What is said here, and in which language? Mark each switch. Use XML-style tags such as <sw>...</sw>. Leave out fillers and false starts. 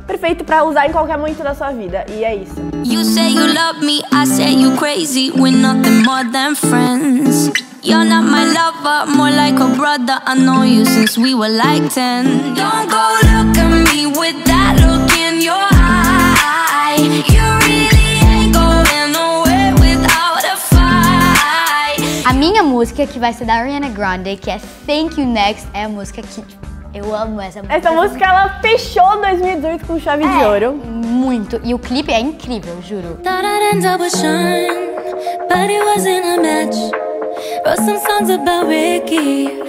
<pt>Perfeito pra usar em qualquer momento da sua vida, e é isso.</pt> <en>You say you love me, I say you crazy, we're nothing more than friends. You're not my lover, more like a brother. I know you since we were like 10. Don't go look at me with that look in your eye. You really ain't going nowhere without a fight.</en> <pt>A minha música, que vai ser da Ariana Grande, que é Thank You Next, é a música que eu amo. Essa música, ela fechou 2018 com chave de ouro. Muito. E o clipe é incrível, juro.</pt> <en>Thought I'd end up with Sean, but it wasn't a match. Wrote some songs about Ricky.</en>